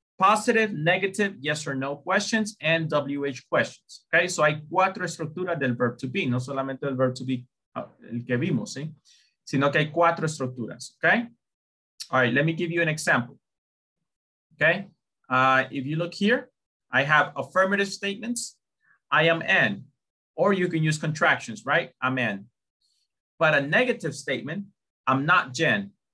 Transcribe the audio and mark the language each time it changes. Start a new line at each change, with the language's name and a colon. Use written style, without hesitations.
English: Positive, negative, yes or no questions, and WH questions, okay?
Spanish: So hay cuatro estructuras del verb to be, no solamente el verb to be el que vimos, ¿sí? Sino que hay cuatro estructuras, okay?
English: All right, let me give you an example, okay? If you look here, I have affirmative statements, I am an, or you can use contractions, right? I'm an. But a negative statement, I'm not Jen.